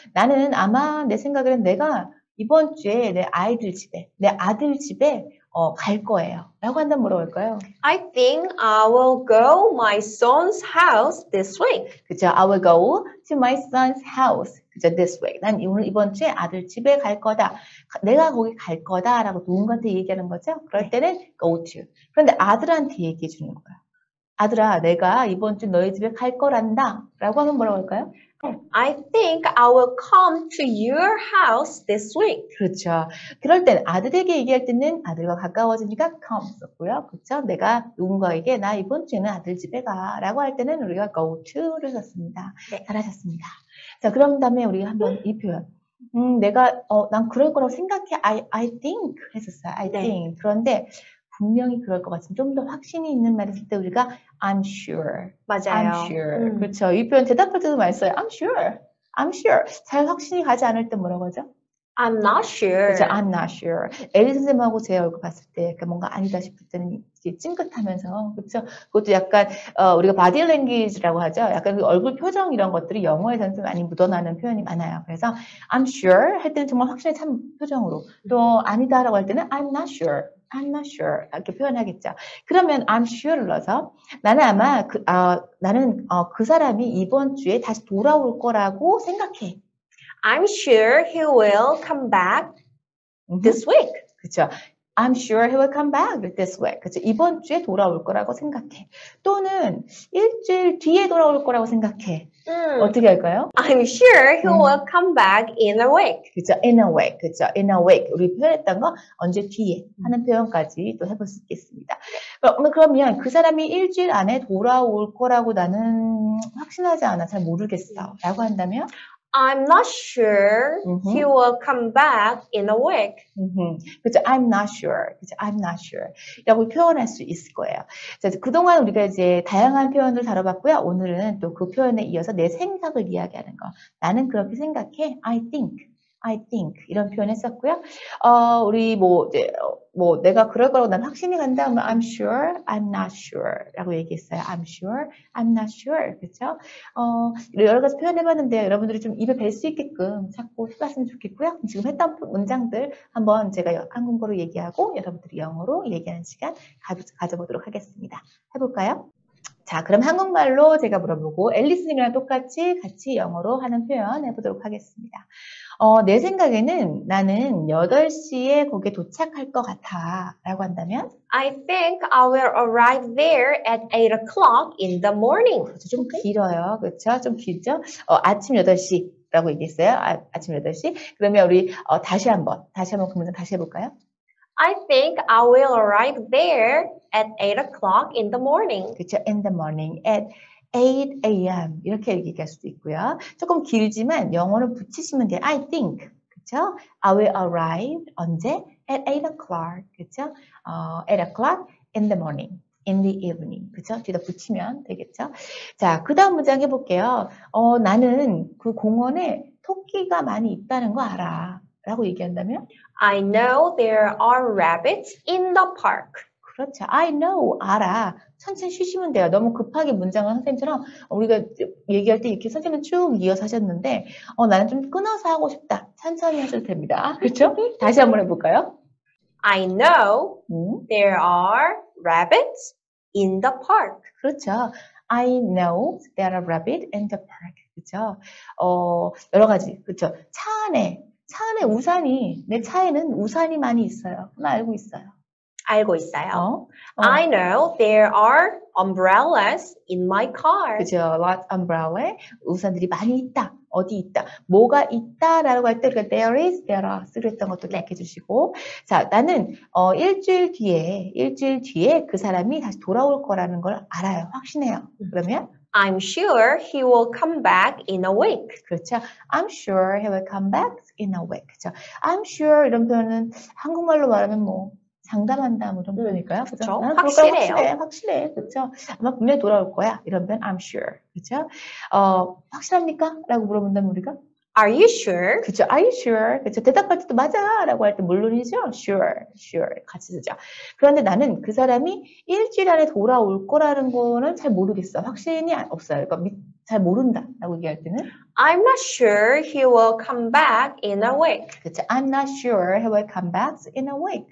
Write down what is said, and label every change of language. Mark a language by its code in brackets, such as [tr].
[ko] 나는 아마 내 생각에는 내가 이번 주에 내 아이들 집에, 내 아들 집에 갈 거예요. 라고 한다면 뭐라고 할까요? [en] I think I will go my son's house this week. [ko] 그죠? [en] I will go to my son's house. 그죠? This way. [ko] 난 오늘 이번 주에 아들 집에 갈 거다. 내가 거기 갈 거다라고 누군가한테 얘기하는 거죠? 그럴 때는 [en] go to. [ko] 그런데 아들한테 얘기해 주는 거야. 아들아, 내가 이번 주 너희 집에 갈 거란다. 라고 하면 뭐라고 할까요? [en] I think I will come to your house this week. [ko] 그렇죠. 그럴 땐 아들에게 얘기할 때는 아들과 가까워지니까 come 썼고요. 그렇죠? 내가 누군가에게 나 이번 주에는 아들 집에 가라고 할 때는 우리가 [en] go to [ko] 를 썼습니다. 잘하셨습니다. 자, 그런 다음에 우리가 한번 이 표현. 내가 난 그럴 거라고 생각해. [en] I think [ko] 했었어요. [en] I think. [ko] 그런데 분명히 그럴 것 같으면 좀더 확신이 있는 말을 쓸때 우리가 [en] I'm sure. I'm [ko] 맞아요. [en] sure. [ko] 그렇죠. 이 표현 대답할 때도 많이 써요. [en] I'm sure. I'm sure. [ko] 잘 확신이 가지 않을 때 뭐라고 하죠? [en] I'm not [ko] 그렇죠. [en] sure. I'm not sure. [ko] 에리 선생님하고 제 얼굴 봤을 때 뭔가 아니다 싶을 때는 찡긋하면서. 그렇죠? 그것도 약간 우리가 바디 랭귀지라고 하죠. 약간 얼굴 표정 이런 것들이 영어에서는 좀 많이 묻어나는 표현이 많아요. 그래서 [en] I'm sure [ko] 할 때는 정말 확신에 찬 표정으로. 또 아니다라고 할 때는 [en] I'm not sure. I'm not sure. [ko] 이렇게 표현하겠죠. 그러면 [en] I'm sure [ko] 를 넣어서 나는 아마 그 사람이 이번 주에 다시 돌아올 거라고 생각해. [en] I'm sure he will come back this week. [ko] 그렇죠. [en] I'm sure he will come back this week. [ko] 그렇죠. 이번 주에 돌아올 거라고 생각해. 또는 일주일 뒤에 돌아올 거라고 생각해. 어떻게 할까요? [en] I'm sure he will come back in a week. [ko] 그렇죠. [en] In a week. 그렇죠. In a week. [ko] 우리 표현했던 거 언제 뒤에 하는 표현까지 또 해볼 수 있겠습니다. 그러면 그 사람이 일주일 안에 돌아올 거라고 나는 확신하지 않아. 잘 모르겠어. 라고 한다면? [en] I'm not sure he will come back in a week. [ko] 그렇죠. [en] I'm not sure. 그렇죠. I'm not sure. [ko] 라고 표현할 수 있을 거예요. 자, 그동안 우리가 이제 다양한 표현을 다뤄봤고요. 오늘은 또그 표현에 이어서 내 생각을 이야기하는 거. 나는 그렇게 생각해. [en] I think. [ko] 이런 표현을 썼고요. 우리 뭐 내가 그럴 거라고 난 확신이 간다 하면 [en] I'm sure, I'm not sure [ko] 라고 얘기했어요. [en] I'm sure, I'm not sure. [ko] 그렇죠? 여러 가지 표현해봤는데 여러분들이 좀 입에 뵐수 있게끔 찾고 해봤으면 좋겠고요. 지금 했던 문장들 한번 제가 한국어로 얘기하고 여러분들이 영어로 얘기하는 시간 가져보도록 하겠습니다. 해볼까요? 자, 그럼 한국말로 제가 물어보고 앨리스님이랑 똑같이 같이 영어로 하는 표현 해보도록 하겠습니다. 내 생각에는 나는 8시에 거기에 도착할 것 같아라고 한다면 [en] I think I will arrive there at 8 o'clock in the morning. [ko] 그렇죠, 좀 길어요. 그렇죠? 좀 길죠? 아침 8시라고 얘기했어요. 아침 8시. 그러면 우리 다시 한번 그러면 다시 해볼까요? [en] I think I will arrive there at 8 o'clock in the morning. [ko] 그렇죠. [en] In the morning at 8 a.m. [ko] 이렇게 얘기할 수도 있고요. 조금 길지만 영어로 붙이시면 돼요. [en] I think. [ko] 그렇죠? [en] I will arrive [ko] 언제? [en] At 8 o'clock. 그렇죠? 8 o'clock in the morning. In the evening. [ko] 그렇죠? 뒤에다 붙이면 되겠죠? 자, 그 다음 문장 해볼게요. 나는 그 공원에 토끼가 많이 있다는 거 알아. 라고 얘기한다면? [en] I know there are rabbits in the park. [ko] 그렇죠. [en] I know. [ko] 알아. 천천히 쉬시면 돼요. 너무 급하게 문장을 선생님처럼 우리가 얘기할 때 이렇게 선생님은 쭉 이어서 하셨는데, 나는 좀 끊어서 하고 싶다. 천천히 하셔도 됩니다. 그렇죠? 다시 한번 해볼까요? [en] I know there are rabbits in the park. [ko] 그렇죠. [en] I know there are rabbits in the park. [ko] 그렇죠? 여러 가지. 그렇죠? 차 안에 우산이, 내 차에는 우산이 많이 있어요. 그건 알고 있어요. 알고 있어요. [en] I know there are umbrellas in my car. [ko] 그죠? [en] Lots of umbrella [ko] 에 우산들이 많이 있다. 어디 있다. 뭐가 있다라고 할 때, 그러니까 [en] there is, there are. [ko] 쓰겠던 것도 기억해 주시고. 자, 나는, 일주일 뒤에 그 사람이 다시 돌아올 거라는 걸 알아요. 확신해요. 그러면? [en] I'm sure he will come back in a week. [ko] 그렇죠? [en] I'm sure he will come back in a week. [ko] 그렇죠? [en] I'm sure [ko] 이런 표현은 한국말로 말하면 뭐, 장담한다, 뭐, 이런 표현일까요? 그죠? 그렇죠. 나는 그럴 거라고 확신해. 그쵸? 아마 분명히 돌아올 거야. 이런 표현, [en] I'm sure. [ko] 그쵸? 확실합니까? 라고 물어본다면 우리가? [en] Are you sure? [ko] 그쵸? [en] Are you sure? [ko] 그쵸? 대답할 때도 맞아. 라고 할때 물론이죠? [en] Sure. [ko] 같이 쓰죠. 그런데 나는 그 사람이 일주일 안에 돌아올 거라는 거는 잘 모르겠어. 확신이 없어요. 그러니까 잘 모른다. 라고 얘기할 때는. [en] I'm not sure he will come back in a week. [ko] 그쵸? [en] I'm not sure he will come back in a week.